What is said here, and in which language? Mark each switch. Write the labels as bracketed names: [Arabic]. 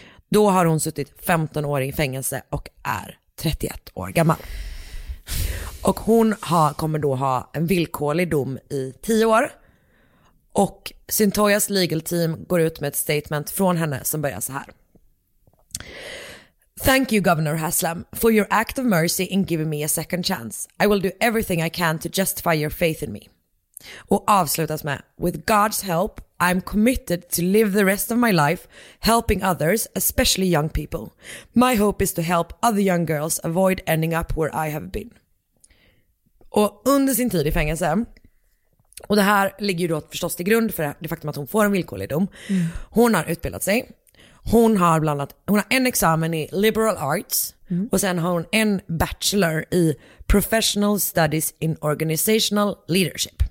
[Swedish] Då har hon suttit 15 år i fängelse och är 31 år gammal. Och hon kommer då ha en villkorlig dom i 10 år. Och Sintoyas legal team går ut med ett statement från henne som börjar så här: [English] Thank you, Governor Haslam, for your act of mercy in giving me a second chance. I will do everything I can to justify your faith in me. [Swedish] Och avslutas med, [English] with God's help, I'm committed to live the rest of my life helping others, especially young people. My hope is to help other young girls avoid ending up where I have been. [Swedish] Och under sin tid i fängelse, och det här ligger ju då förstås till grund för det faktum att hon får en villkorlig dom. Hon har utbildat sig. Hon har bland annat, hon har en examen i liberal arts och sen har hon en bachelor i professional studies in organizational leadership.